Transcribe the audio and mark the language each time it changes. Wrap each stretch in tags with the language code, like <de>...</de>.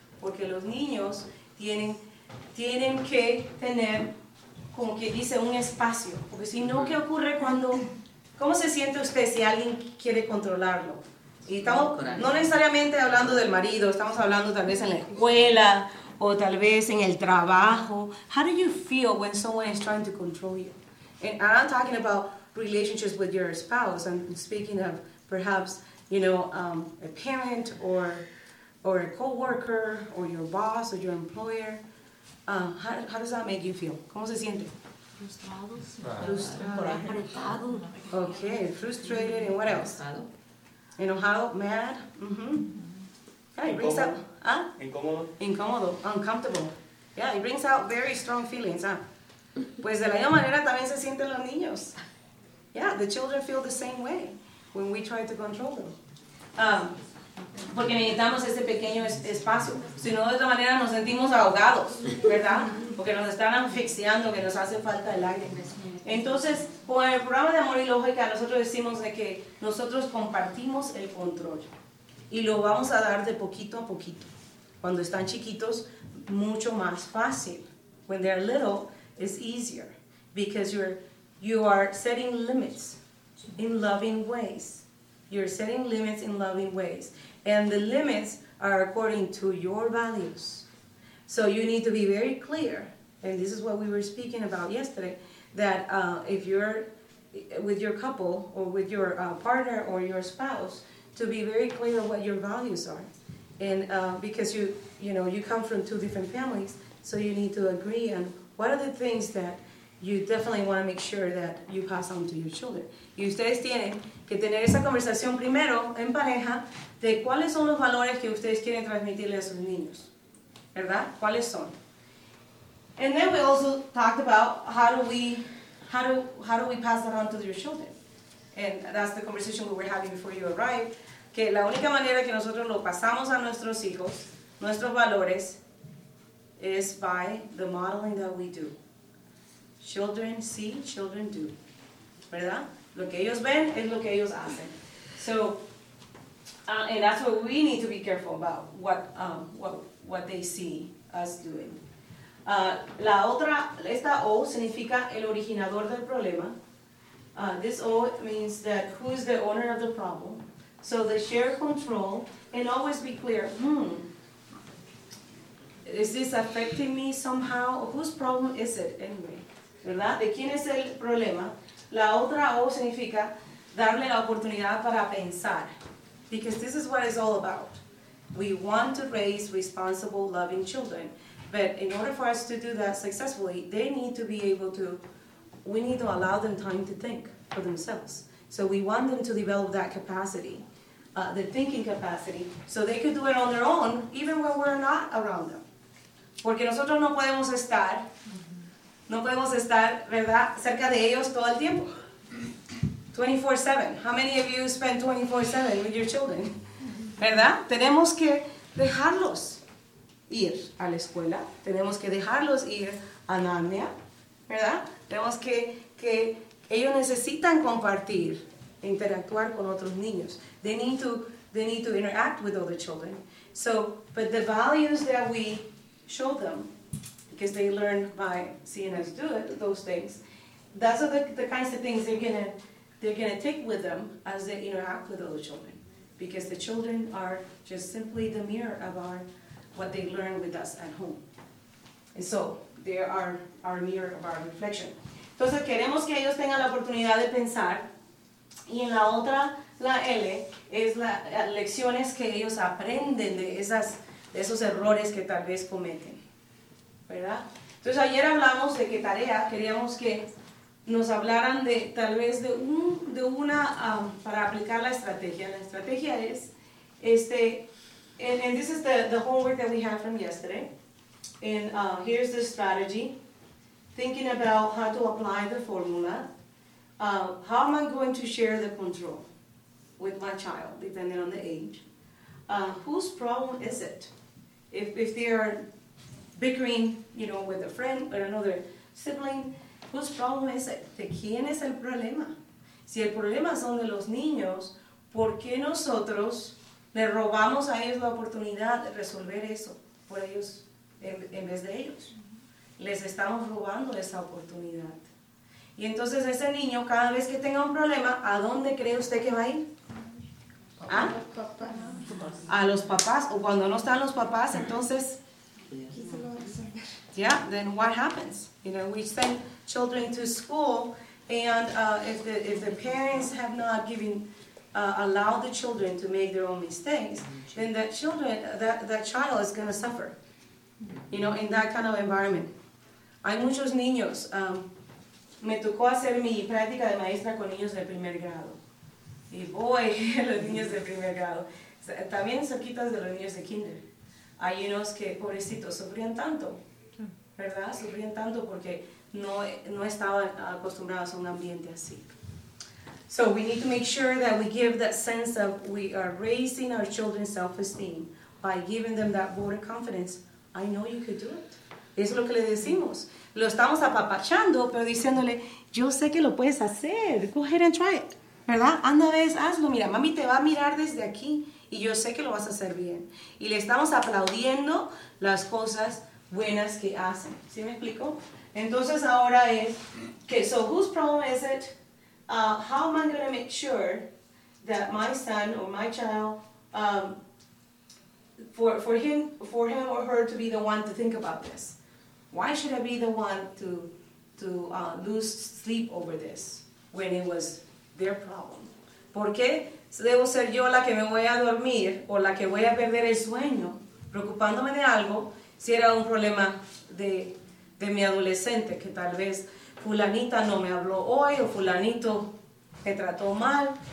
<es>Porque los niños tienen que tener, como que dice, un espacio. Porque si no, ¿qué ocurre cuando... ¿Cómo se siente usted si alguien quiere controlarlo? Y estamos no necesariamente hablando del marido, estamos hablando tal vez en la escuela o tal vez en el trabajo.</es> <en>How do you feel when someone is trying to control you? And I'm talking about relationships with your spouse. I'm speaking of perhaps, you know, a parent or a coworker or your boss or your employer. How does that make you feel?</en> <es>¿Cómo se siente? Frustrado.</es> <en>Okay, frustrated, and what else?</en> <es>Enojado,</es> <en>mad. Yeah, it brings up.</en> <es>Incómodo.</es> <en>Uncomfortable. Yeah, it brings out very strong feelings.</en> <es>Pues de la misma manera también se sienten los niños.</es> <en>Yeah, the children feel the same way when we try to control them.</en> <es>Porque necesitamos ese pequeño espacio. Si no, de otra manera nos sentimos ahogados, ¿verdad? Porque nos están asfixiando, que nos hace falta el aire. Entonces, con el programa de Amor y Lógica, nosotros decimos de que nosotros compartimos el control. Y lo vamos a dar de poquito a poquito. Cuando están chiquitos, mucho más fácil.</es> <en>When they're little, it's easier. Because you are setting limits in loving ways. You're setting limits in loving ways. And the limits are according to your values. So you need to be very clear, and this is what we were speaking about yesterday, that if you're with your couple or with your partner or your spouse, to be very clear of what your values are. And because you come from two different families, so you need to agree on what are the things that you definitely want to make sure that you pass on to your children.</en> <es>Y ustedes tienen que tener esa conversación primero en pareja de cuáles son los valores que ustedes quieren transmitirle a sus niños. ¿Verdad? ¿Cuáles son?</es> <en>And then we also talked about how do we pass that on to your children. And that's the conversation we were having before you arrived.</en> <es>Que la única manera que nosotros lo pasamos a nuestros hijos, nuestros valores,</es> <en>is by the modeling that we do. Children see, children do.</en> <es>¿Verdad? Lo que ellos ven es lo que ellos hacen.</es> <en>So, and that's what we need to be careful about, what they see us doing.</en> <es>La otra, esta O significa el originador del problema.</es> <en>This O means that who is the owner of the problem. So the shared control, and always be clear, is this affecting me somehow? Whose problem is it anyway?</en> <es>¿Verdad? ¿De quién es el problema? La otra O significa darle la oportunidad para pensar.</es> <en>Because this is what it's all about. We want to raise responsible, loving children. But in order for us to do that successfully, they need to be able to, we need to allow them time to think for themselves. So we want them to develop that capacity, the thinking capacity, so they can do it on their own, even when we're not around them.</en> <es>Porque nosotros no podemos estar, ¿verdad?, cerca de ellos todo el tiempo. 24/7.</es> <en>How many of you spend 24/7 with your children?</en> <es>¿Verdad? Tenemos que dejarlos ir a la escuela. Tenemos que dejarlos ir a Narnia. ¿Verdad? Tenemos que ellos necesitan compartir, interactuar con otros niños.</es> <en>They need to interact with other children. So, but the values that we show them, because they learn by seeing us do it, those things, those are the kinds of things they're gonna take with them as they interact with other children. Because the children are just simply the mirror of what they learn with us at home. And so, they are our mirror of our reflection.</en> <es>Entonces, queremos que ellos tengan la oportunidad de pensar. Y en la otra, la L, es las lecciones que ellos aprenden de esos errores que tal vez cometen. ¿Verdad? Entonces, ayer hablamos de qué tarea. Queríamos que nos hablaran de una para aplicar la estrategia. La estrategia es,</es> <en>and this is the homework that we had from yesterday. And here's the strategy. Thinking about how to apply the formula. How am I going to share the control with my child, depending on the age? Whose problem is it? If they are bickering, you know, with a friend or another sibling, whose problem is it?</en> <es>¿De quién es el problema? Si el problema son de los niños, ¿por qué nosotros le robamos a ellos la oportunidad de resolver eso por ellos en vez de ellos? Les estamos robando esa oportunidad. Y entonces ese niño, cada vez que tenga un problema, ¿a dónde cree usted que va a ir? ¿Ah? A los papás. O cuando no están los papás, entonces...</es> <en>Yeah, then what happens? You know, we send children to school, and if the parents have not given... allow the children to make their own mistakes, then that child is going to suffer, you know, in that kind of environment.</en> <es>Hay muchos niños, me tocó hacer mi práctica de maestra con niños de primer grado, y boy, los niños de primer grado, también cerquitas de los niños de kinder, hay unos que, pobrecitos, sufrían tanto, ¿verdad?, sufrían tanto porque no estaban acostumbrados a un ambiente así.</es> <en>So we need to make sure that we give that sense of we are raising our children's self-esteem by giving them that vote of confidence. I know you could do it.</en> <es>Es lo que le decimos. Lo estamos apapachando, pero diciéndole, yo sé que lo puedes hacer.</es> <en>Go ahead and try it.</en> <es>¿Verdad? Anda a ver, hazlo. Mira, mami te va a mirar desde aquí y yo sé que lo vas a hacer bien. Y le estamos aplaudiendo las cosas buenas que hacen. ¿Sí me explico? Entonces ahora es,</es> <en>okay, so whose problem is it? How am I going to make sure that my son or my child, for him or her to be the one to think about this? Why should I be the one to lose sleep over this when it was their problem?</en> <es>¿Por qué debo ser yo la que me voy a dormir o la que voy a perder el sueño preocupándome de algo si era un problema de mi adolescente que tal vez... Fulanita no me habló hoy, o fulanito me trató mal.</es>